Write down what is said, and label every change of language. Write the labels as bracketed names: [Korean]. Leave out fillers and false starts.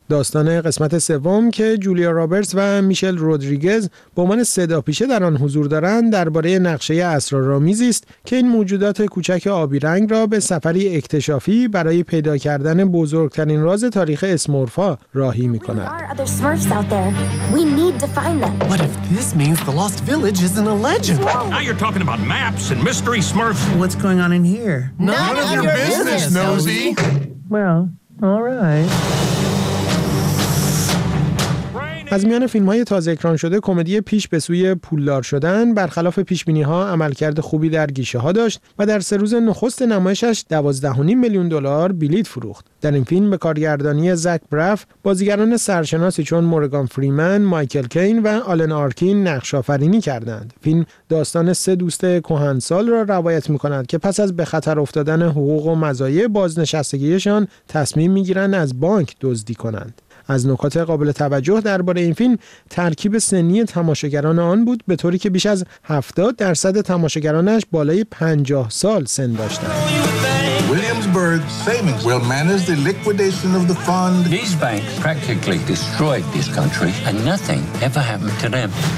[Persian] داستان قسمت سوم که جولیا رابرتس و میشل رودریگز به عنوان صداپیشه در آن حضور دارند درباره نقشه اسرارآمیز است که این موجودات کوچک آبی رنگ را به سفری اکتشافی برای پیدا کردن بزرگترین راز تاریخ اسمورفا راهی می‌کند. [English] What if this means the lost village isn't a legend? Now you're talking about maps and mystery smurfs. What's going on in here? None of your business, Nosy. Well, all right. [Persian] از میان فیلم‌های تازه اکران شده کمدی پیش به سوی پولدار شدن برخلاف پیش‌بینی‌ها عملکرد خوبی در گیشه‌ها داشت و در 3 روز نخست نمایشش 12.5 میلیون دلار بلیت فروخت. در این فیلم به کارگردانی زک براف بازیگران سرشناسی چون مورگان فریمن، مایکل کین و آلن آرکین نقش‌آفرینی کردند. فیلم داستان 3 دوست کهنسال را روایت می‌کند که پس از به خطر افتادن حقوق و مزایای بازنشستگی‌شان تصمیم می‌گیرند از بانک دزدی کنند. از نکات قابل توجه درباره این فیلم ترکیب سنی تماشاگران آن بود به طوری که بیش از 70% تماشاگرانش بالای 50 سال سن داشتند. [English] Williamsburg Savings will manage the liquidation of the fund. These banks practically destroyed this country and nothing ever happened to them.